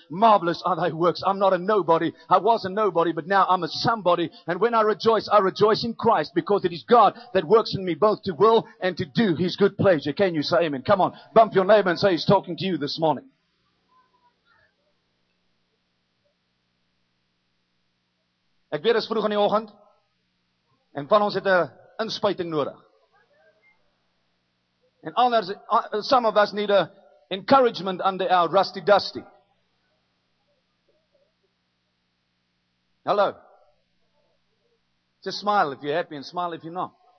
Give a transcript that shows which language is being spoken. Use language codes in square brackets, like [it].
[en] Marvelous are thy works. I'm not a nobody. I was a nobody, but now I'm a somebody. And when I rejoice in Christ, because it is God that works in me both to will and to do His good pleasure. Can you say amen? Come on, bump your neighbor and say He's talking to you this morning. [af] Ek weet, is vroeg in die oggend en van ons het 'n inspuiting nodig. [en] And others, some of us need a encouragement under our rusty dusty. Hello. Just smile if you're happy and smile if you're not.